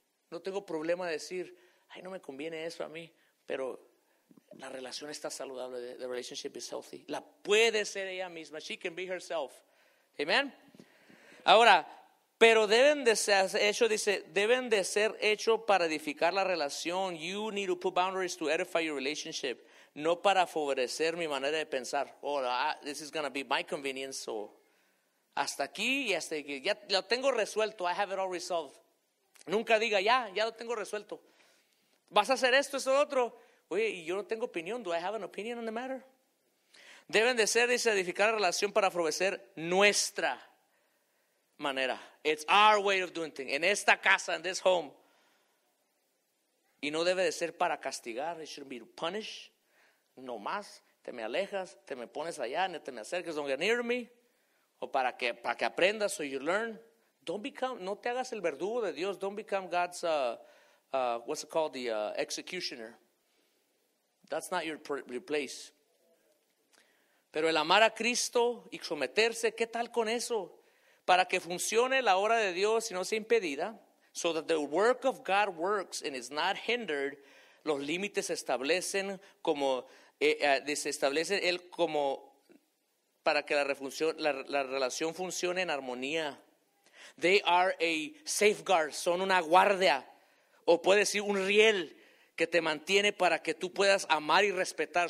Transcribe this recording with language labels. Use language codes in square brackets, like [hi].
[es] No tengo problema de decir, ay, no me conviene eso a mí. Pero la relación está saludable. [en] The relationship is healthy. [es] La puede ser ella misma. [en] She can be herself. [es] Amén. Ahora, pero deben de ser hecho para edificar la relación. [en] You need to put boundaries to edify your relationship. [es] No para favorecer mi manera de pensar. [en] Oh, this is going to be my convenience. [es] So, hasta aquí. Ya lo tengo resuelto. [en] I have it all resolved. [es] Nunca diga, ya lo tengo resuelto. ¿Vas a hacer esto, eso, otro? Oye, y yo no tengo opinión. [en] Do I have an opinion on the matter? [es] Deben de ser, dice, edificar la relación para favorecer nuestra. manera. [en] It's our way of doing things. [es] En esta casa, [en] in this home. [es] Y no debe de ser para castigar. [en] It shouldn't be to punish. [es] No más. Te me alejas. Te me pones allá. No te me acerques. [en] Don't get near me. [es] O para que aprendas. [en] So you learn. Don't become. [es] No te hagas el verdugo de Dios. [en] Don't become God's. What's it called? The executioner. That's not your place. [es] Pero el amar a Cristo y someterse. ¿Qué tal con eso? Para que funcione la obra de Dios y no sea impedida. [en] So that the work of God works and is not hindered. [es] Los límites se establecen como, se establece él como para que la relación funcione en armonía. [en] They are a safeguard, [es] son una guardia. O puede decir un riel que te mantiene para que tú puedas amar y respetar.